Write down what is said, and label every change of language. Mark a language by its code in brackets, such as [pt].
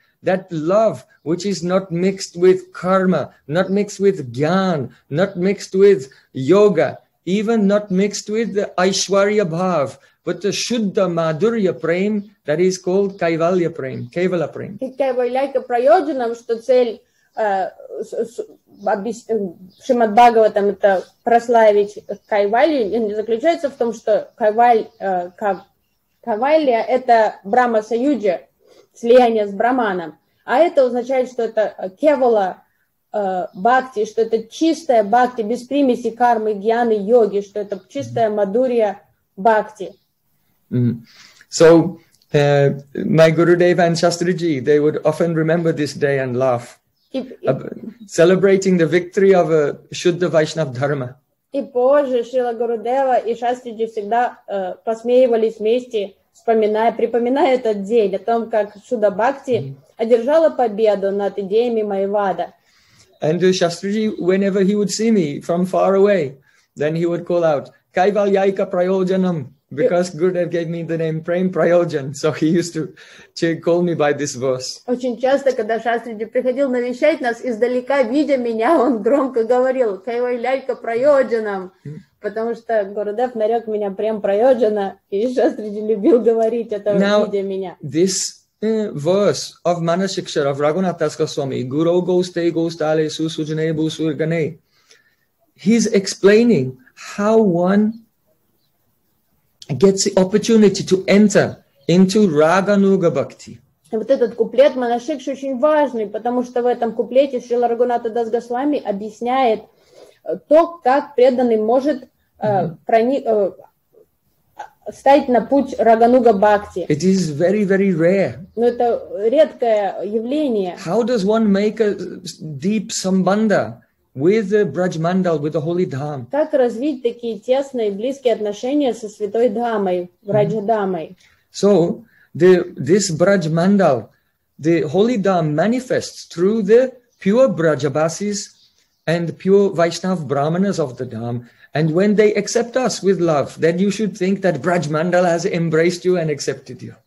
[en] That love which is not mixed with karma, not mixed with jnana, not mixed with yoga, even not mixed with the Aishwarya Bhav, but the Shuddha Madhurya Prem, that is called Kaivalya Prem, Kevala Prem. [ru] Kaivalyaika Prayojanam, что цель Шримад Бхагаватам это прославить Кайвалью, заключается в том, что Кайвалья это Брахма Саюджа, слияние с Брахманом. А это означает, что это кевала бхакти, что это чистая бхакти, без примеси кармы, гьяны, йоги, что это чистая мадурья бхакти. Mm-hmm. [en] So, my Gurudev and Shastriji, they would often remember this day and laugh, celebrating the victory of a Shuddha Vaishnav Dharma. [ru] И позже Шрила Гурудева и Шастриджи всегда посмеивались вместе, припоминая этот день о том, как Шуда Бхакти одержала победу над идеями Майвада. [en] And Shastriji, whenever he would see me from far away, then he would call out, Kaivalyaika Prayojanam, because Gurudev gave me the name Prem Prayojan, so he used to call me by this verse. [ru] Очень часто, когда Шастриджи приходил навещать нас, издалека видя меня, он громко говорил, Кайвальяйка Прайоджанам, потому что Гурудев нарек меня Прем Прайоджана, и Шастриджи любил говорить это, видя меня. [en] This verse of Manasiksha of Raghunathas Goswami, Guru Goste Gostale Su Sujane Bu Surgane, he's explaining how one gets the opportunity to enter into Raganuga Bhakti. [ru] Вот этот куплет Манашикши очень важный, потому что в этом куплете Шрила Рагхунатха Дас Госвами объясняет то, как преданный может стать на путь Рагануга Бхакти. [en] It is very, very rare. [ru] Но это редкое явление. [en] How does one make a deep sambandha with the Braj Mandal, with the Holy Dham? [ru] Как развить такие тесные, близкие отношения со Святой Дхамой, Браджа Дхамой? [en] So, this Braj Mandal, the Holy Dham manifests through the pure Brajabasis and pure Vaishnav Brahmanas of the Dham. And when they accept us with love, then you should think that Braj Mandal has embraced you and accepted you.